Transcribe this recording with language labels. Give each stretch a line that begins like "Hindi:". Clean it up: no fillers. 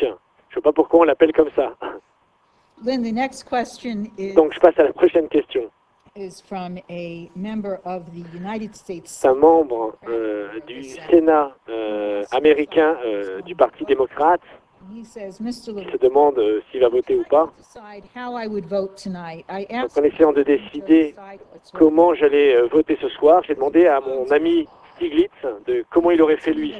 French: Je ne sais pas pourquoi on l'appelle comme ça.
English: Lynn, the next question is,
French: donc, je passe à la prochaine question.
English: Is from a member of the United States.
French: C'est un membre du Sénat américain du Parti démocrate.
English: He says, Mr.
French: Il se demande s'il va voter ou pas. Donc, en essayant de décider comment j'allais voter ce soir, j'ai demandé à mon ami Stiglitz de comment il aurait fait lui.